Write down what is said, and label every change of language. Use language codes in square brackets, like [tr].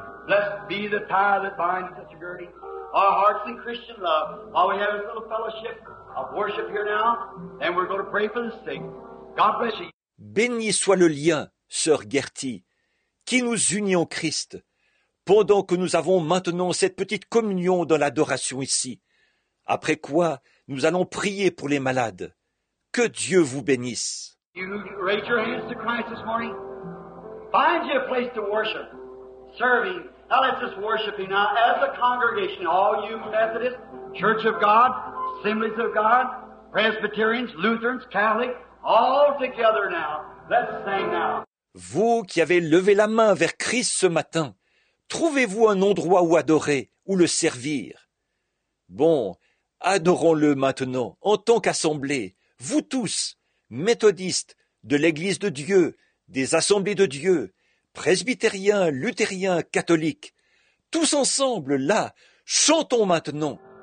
[en] Blessed be the tie that binds such a girding. Our hearts in Christian love. All we have is a little fellowship of worship here now, and we're going to pray for the sick. God bless you. [fr] Béni soit le lien, sœur Gertie, qui nous unit en Christ, pendant que nous avons maintenant cette petite communion dans l'adoration ici. Après quoi, nous allons prier pour les malades. Que Dieu vous bénisse. [en] You raise your hands to Christ this morning. Find you a place to worship. Serving. Now let's just worship you now as a congregation. All you Methodists, Church of God, Assemblies of God, Presbyterians, Lutherans, Catholics, all together now. Let's sing now. [fr] Vous qui avez levé la main vers Christ ce matin, trouvez-vous un endroit où adorer, où le servir. Bon, adorons-le maintenant, en tant qu'assemblée, vous tous, méthodistes de l'Église de Dieu, des assemblées de Dieu, presbytériens, luthériens, catholiques, tous ensemble, là, chantons maintenant.